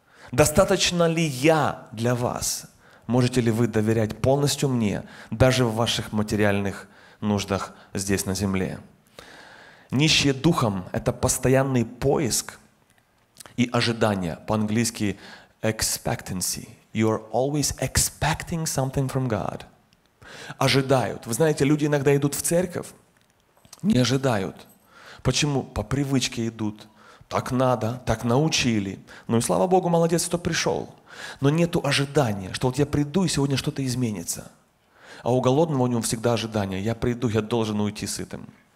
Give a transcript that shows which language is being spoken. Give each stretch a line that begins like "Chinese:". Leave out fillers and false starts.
Russian: Достаточно ли я для вас? Можете ли вы доверять полностью мне, даже в ваших материальных нуждах здесь на земле? Нищие духом – это постоянный поиск и ожидание. По-английски expectancy.
English: You're always expecting something from God.
Russian: Ожидают. Вы знаете, люди иногда идут в церковь, не ожидают. Почему? По привычке идут. Так надо, так научили. Ну и слава Богу, молодец, кто пришел. Но нету ожидания, что вот я приду, и сегодня что-то изменится. А у голодного у него всегда ожидание. Я приду, я должен уйти сытым.